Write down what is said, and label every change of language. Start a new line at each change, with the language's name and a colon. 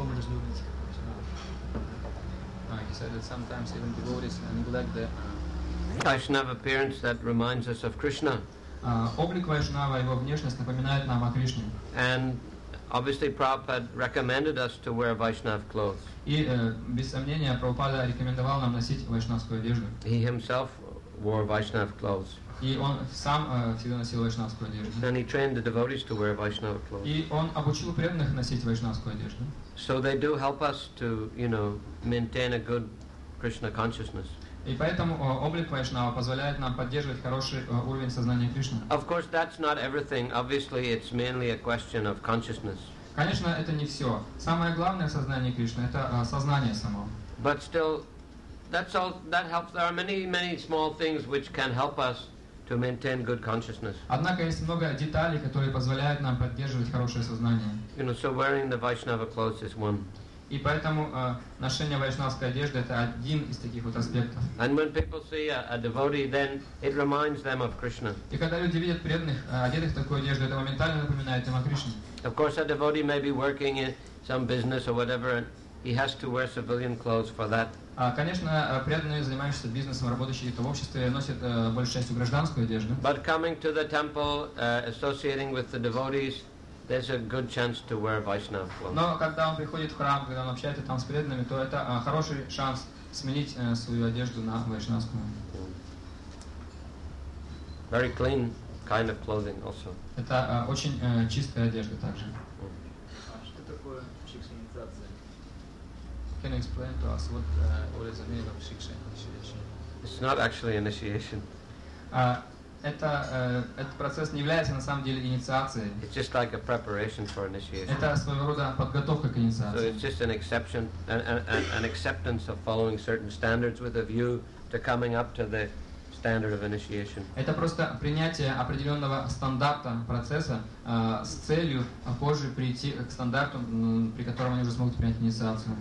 English: He said that sometimes even devotees neglect the Vaishnava appearance that reminds us of Krishna.
Russian: Облик Вайшнава, его внешность напоминает нам о Кришне.
English: And obviously Prabhupada recommended us to wear Vaishnava clothes.
Russian: И без сомнения Прабхупада рекомендовал нам носить вайшнавскую одежду.
English: He himself wore Vaishnava clothes.
Russian: И он сам всегда носил вайшнавскую одежду.
English: And he trained the devotees to wear Vaishnava clothes.
Russian: И он обучил преданных носить вайшнавскую одежду.
English: So they do help us to, you know, maintain a good Krishna consciousness.
Russian: И поэтому облик вайшнава позволяет нам поддерживать хороший уровень сознания Кришны.
English: Of course, that's not everything. Obviously, it's mainly a question of consciousness.
Russian: Конечно, это не все. Самое главное в сознании Кришны — это сознание само.
English: But still, that's all. That helps. There are many, many small things which can help us to maintain good consciousness.
Russian: Однако есть много деталей, которые позволяют нам поддерживать хорошее сознание.
English: You know, so wearing the Vaishnava clothes is one.
Russian: И поэтому ношение вайшнавской одежды — это один из таких вот аспектов.
English: And when people see a devotee, then it reminds them of Krishna.
Russian: И когда люди видят преданных одетых в такую одежду, это моментально напоминает им о Кришне.
English: Of course, a devotee may be working in some business or whatever, he has to wear civilian clothes for that.
Russian: Конечно, преданные, занимающиеся бизнесом, работающие в обществе, носят большую часть гражданскую одежду.
English: But coming to the temple, associating with the devotees, there's a good chance to wear Vaishnava clothes.
Russian: Но когда он приходит в храм, когда он общается там с преданными, то это хороший шанс сменить свою одежду на вайшнавскую.
English: Very clean kind of clothing also.
Russian: Это очень чистая одежда также.
English: Can you explain to us what is the meaning of shiksha initiation? It's not actually initiation.
Russian: Этот процесс не является на самом деле инициацией.
English: It's just like a preparation for initiation.
Russian: Это своего рода подготовка к инициации.
English: So it's just an exception, an acceptance of following certain standards with a view to coming up to the standard of initiation.
Russian: Это просто принятие определенного стандарта процесса с целью позже прийти к стандарту, при котором они уже смогут принять инициацию.